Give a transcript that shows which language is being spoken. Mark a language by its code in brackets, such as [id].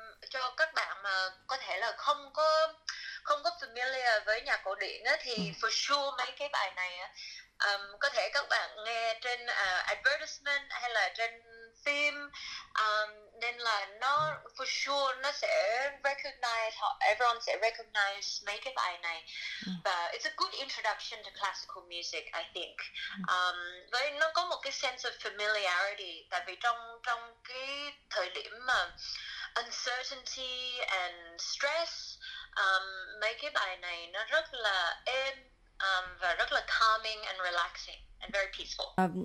[vi] cho các bạn mà có thể là không có familiar với nhạc cổ điển ấy, thì [en] for sure [vi] mấy cái bài này có thể các bạn nghe trên advertisement hay là trên phim, nên là nó for sure nó sẽ recognize, [en] everyone [vi] sẽ recognize mấy cái bài này. [en] But it's a good introduction to classical music, I think. [vi] Với nó có một cái [en] sense of familiarity, [vi] tại vì trong cái thời điểm mà [en] uncertainty and stress, [vi] mấy cái bài này nó rất là êm và rất là [en] calming and relaxing. Very peaceful.